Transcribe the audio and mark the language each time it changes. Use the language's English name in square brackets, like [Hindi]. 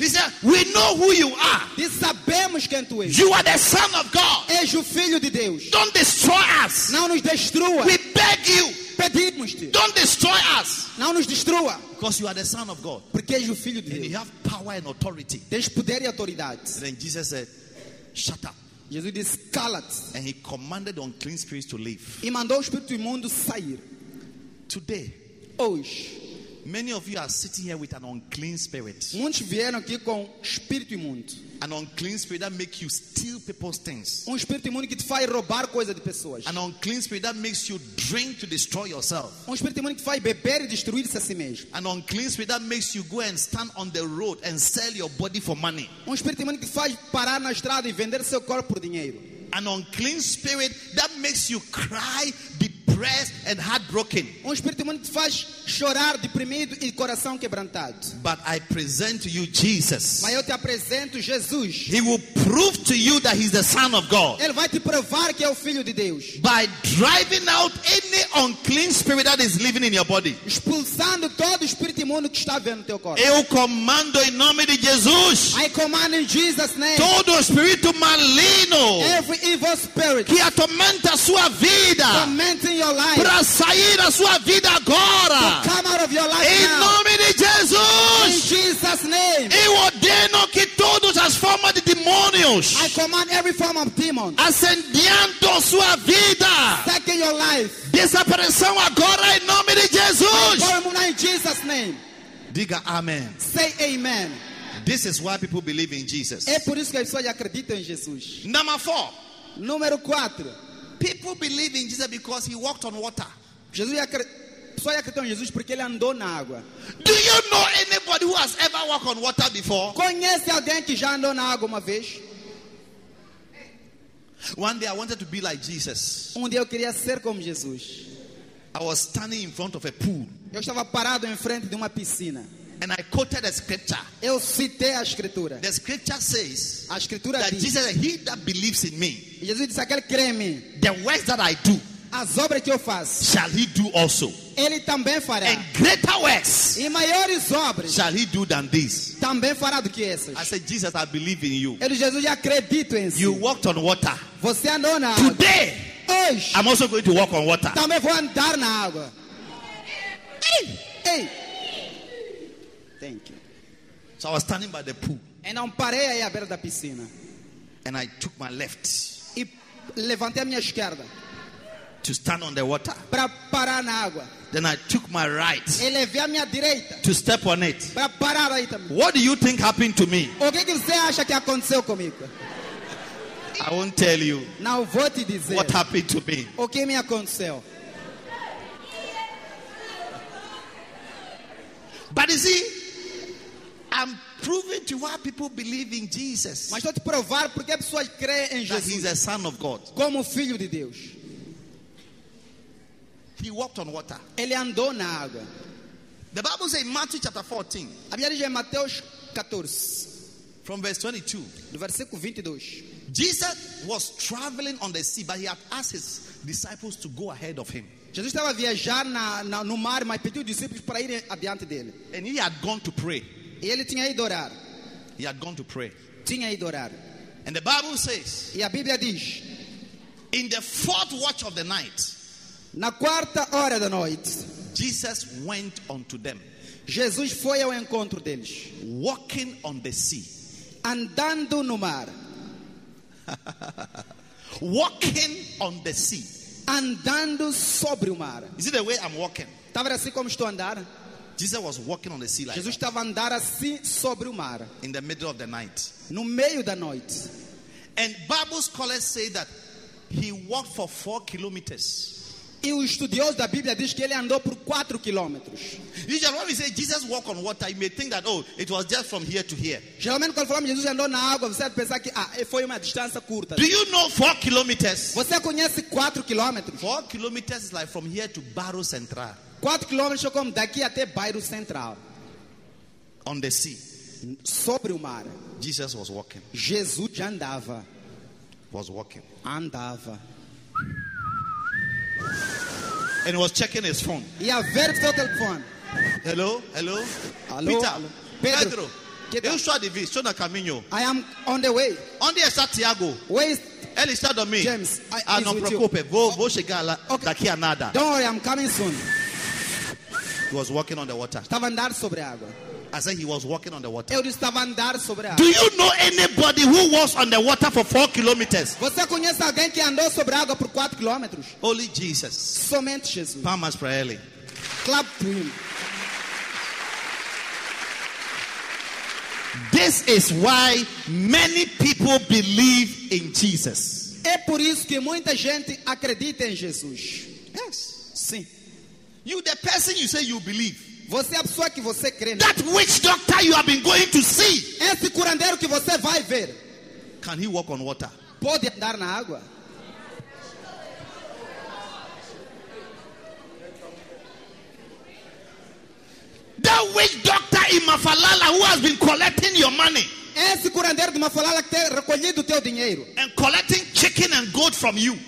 [English] He said, "We know who you are. [Portuguese] E sabemos quem tu és. [English] You are the Son of God. [Portuguese] És o Filho de Deus. [English] Don't destroy us. [Portuguese] Não nos destrua. [English] We beg you. [Portuguese] Pedimos-te. [English] Don't destroy us. [Portuguese] Não nos destrua. [English] Because you are the Son of God. [Portuguese] Porque és o Filho de Deus. [English] And you have power and authority. [Portuguese] Tens poder e autoridade. [English] And then Jesus said, "Shut up." [Portuguese] Jesus disse, cala-te. [English] And he commanded the unclean spirits to leave. [Portuguese] E mandou o espírito imundo sair. [English] Today, [Portuguese] hoje, [English] many of you are sitting here with an unclean spirit. [Portuguese] Muitos vieram aqui com espírito imundo. [English] An unclean spirit that makes you steal people's things. [Portuguese] Espírito imundo que te faz roubar coisas de pessoas. [English] An unclean spirit that makes you drink to destroy yourself. [Portuguese] Espírito imundo que faz beber e destruir a si mesmo. [English] An unclean spirit that makes you go and stand on the road and sell your body for money. [Portuguese] Espírito imundo que faz parar na estrada e vender seu corpo por dinheiro. [English] An unclean spirit that makes you cry, depressed and heartbroken. [Portuguese] Espírito imundo que faz chorar, deprimido e coração quebrantado. [English] But I present to you Jesus. [Portuguese] Mas eu te apresento Jesus. [English] He will prove to you that he's the Son of God. [Portuguese] Ele vai te provar que é o Filho de Deus. [English] By driving out any unclean spirit that is living in your body. [Portuguese] Expulsando todo espírito imundo que está vendo teu corpo. Eu comando em nome de Jesus. [English] I command in Jesus' name. [Portuguese] Todo espírito maligno. [English] Every evil spirit. [Portuguese] Que atormenta sua vida. [English] Tormenting your life. [Portuguese] Para sair da sua vida agora. [English] To come out of your life [Portuguese] em nome [English] now. [Portuguese] De Jesus. [English] In Jesus' name. [Portuguese] Eu ordeno que todos as formas de demônios. [English] I command every form of demon. [Portuguese] Ascendendo sua vida. [English] Take your life. [Portuguese] Desapareçam agora em nome de Jesus. [English] In Jesus' name. [Portuguese] Diga amém. [English] Say amen. This is why people believe in Jesus. [Portuguese] É por isso que as pessoas acreditam em Jesus. [English] Number 4. [Portuguese] Número 4. [English] People believe in Jesus because he walked on water. [Portuguese] Jesus só acreditam em Jesus porque ele andou na água. [English] Do you know anybody who has ever walked on water before? [Portuguese] Conhece alguém que já andou na água uma vez? [English] One day I wanted to be like Jesus. [Portuguese] Dia eu queria ser como Jesus. [English] I was standing in front of a pool. [Portuguese] Eu estava parado em frente de uma piscina. [English] And I quoted a scripture. [Portuguese] Eu citei a escritura. [English] The scripture says, [Portuguese] a escritura [English] that [Portuguese] diz, [English] Jesus, he that believes in me, [Portuguese] Jesus disse, aquele crê em mim, [English] the works that I do, [Portuguese] as obras que eu faço, [English] shall he do also. [Portuguese] Ele também fará. [English] And greater works, [Portuguese] e maiores obras, [English] shall he do than this. [Portuguese] Também fará do que essas. [English] I said, Jesus, I believe in you. [Portuguese] Ele, Jesus, eu acredito em [English] you [Portuguese] si. [English] Walked on water. [Portuguese] Você andou na [English] água. [Portuguese] Today, I'm also going to walk on water. [English] Também vou andar na água. [Portuguese] Hey. [English] Hey. Thank you. [Portuguese] So I was standing by the pool. [English] And eu parei aí à beira da piscina. [Portuguese] And I took my left. [English] E levantei a minha esquerda. [Portuguese] To stand on the water. [English] Para parar na água. [Portuguese] Then I took my right. [English] E levei a minha direita. [Portuguese] To step on it. [English] Para parar aí também. [Portuguese] What do you think happened to me? [English] O que você acha que aconteceu comigo? [Portuguese] I won't tell you. [English] Não vou te dizer. [Portuguese] What happened to me? [English] O que me aconteceu? [Portuguese] But you see, I'm proving to why people believe in Jesus. [English] Mas estou te provar porque as pessoas creem em Jesus. [Portuguese] That he's the Son of God. [English] Como Filho de Deus. [Portuguese] He walked on water. [English] Ele andou na água. [Portuguese] The Bible says in Matthew chapter 14. [English] A Bíblia diz em Mateus 14. [Portuguese] From verse 22. [English] Do versículo 22. [Portuguese] Jesus was traveling on the sea, but he had asked his disciples to go ahead of him. [English] Jesus estava viajando no mar, mas pediu os discípulos para ir adiante dele. [Portuguese] And he had gone to pray. [English] E ele tinha ido orar. [Portuguese] He had gone to pray. [English] Tinha ido orar. [Portuguese] And the Bible says. [English] E a Bíblia diz. [Portuguese] In the fourth watch of the night. [English] Na quarta hora da noite. [Portuguese] Jesus went unto them. [English] Jesus foi ao encontro deles. [Portuguese] Walking on the sea. [English] Andando no mar. [Portuguese] Walking on the sea. [English] Andando sobre o mar. [Portuguese] Is it the way I'm walking? [English] Tava assim como estou a andar. [Portuguese] Jesus was walking on the sea like [English] Jesus estava a andar assim sobre o mar. [Portuguese] In the middle of the night. [English] No meio da noite. [Portuguese] And Bible scholars say that he walked for 4 kilometers. [English] E o estudioso da Bíblia diz que ele andou por 4 quilômetros. [Portuguese] Usually when we say Jesus walked on water, you may think that oh, it was just from here to here. [English] Geralmente quando falamos Jesus andou na água, você vai pensar que ah, foi uma distância curta. [Portuguese] Do you know 4 kilometers? [English] Você conhece 4 quilômetros? [Portuguese] 4 kilometers is like from here to Bairro Central. [English] 4 quilômetros é como daqui até Bairro Central. [Portuguese] On the sea. [English] Sobre o mar. [Portuguese] Jesus was walking. [English] Jesus já andava. [Portuguese] Was walking. [English] Andava. [Portuguese] And was checking his phone. [English] E a ver seu telefone. [Portuguese] Hello, hello. [English] Alô, [Portuguese] Peter. [English] Alô. [Portuguese] Pedro. [English] Eu sou Adivi, sou na caminho. [Portuguese] I am on the way. [English] Onde está Tiago? [Portuguese] Where is [English] ele está dormindo? [Portuguese] James, I [English] ah, não preocupe, vou chegar lá okay. [Portuguese] Daqui a nada. [English] Don't worry, I'm coming soon. [Portuguese] He was walking on the water. [English] Estava andar sobre água. [Portuguese] I said he was walking on the water. [English] Eu estava andar sobre água. [Portuguese] Do you know anybody who was on the water for 4 kilometers? [English] Você conhece alguém que andou sobre água por 4 quilômetros? [Portuguese] Only Jesus. [English] Somente Jesus. [Portuguese] Palmas para ele. [English] Clap to him. [Portuguese] This is why many people believe in Jesus. [English] É por isso que muita gente acredita em Jesus. [Portuguese] Yes. [English] Sim. [Portuguese] You, the person you say you believe. [English] Você é a pessoa que você crê. [Portuguese] That witch doctor you have been going to see. [English] Esse curandeiro que você vai ver. [Portuguese] Can he walk on water? [English] Pode andar na água? [Portuguese] That witch doctor in Mafalala who has been collecting your money. [English] Esse curandeiro de Mafalala que tem recolhido o teu dinheiro. [Portuguese] And collecting chicken and goat from you.